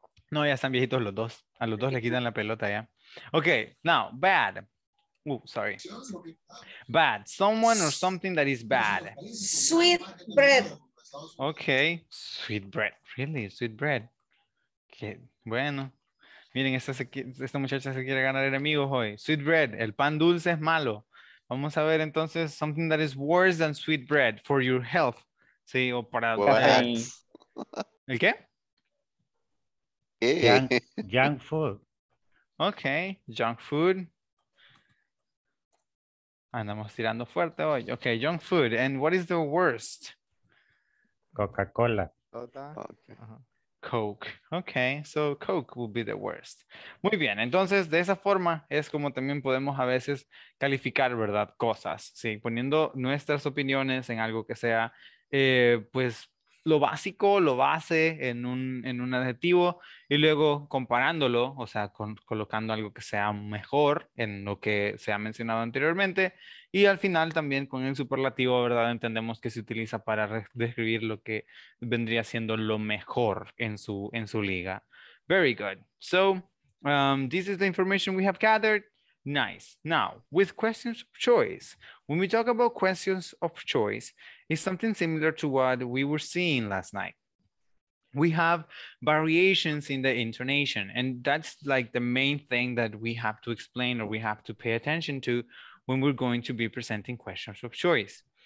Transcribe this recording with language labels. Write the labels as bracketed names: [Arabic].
[Spanish] No, ya están viejitos los dos. A los dos le quitan la pelota ya. [English] Ok, now, bad. Sorry. Bad. Someone or something that is bad. Sweet bread. Okay. Sweet bread. Really? Sweet bread. [Spanish] Qué bueno. Miren, esta muchacha se quiere ganar enemigos hoy. [English] Sweet bread. [Spanish] El pan dulce es malo. Vamos a ver entonces [English] something that is worse than sweet bread for your health. [Spanish] Sí, o para... ¿El qué? [English] Junk food. Okay. Junk food. [Spanish] Andamos tirando fuerte hoy. [English] Okay, junk food. And what is the worst? Coca-Cola. Coke. Okay, so Coke will be the worst. [Spanish] Muy bien, entonces de esa forma es como también podemos a veces calificar, ¿verdad? Cosas, ¿sí? Poniendo nuestras opiniones en algo que sea, pues, lo básico, lo base en un adjetivo y luego comparándolo, o sea, colocando algo que sea mejor en lo que se ha mencionado anteriormente y al final también con el superlativo, ¿verdad? Entendemos que se utiliza para describir lo que vendría siendo lo mejor en su liga. [English] Very good. So, this is the information we have gathered. Nice. Now, with questions of choice, when we talk about questions of choice, it's something similar to what we were seeing last night. We have variations in the intonation, and that's like the main thing that we have to explain or we have to pay attention to when we're going to be presenting questions of choice.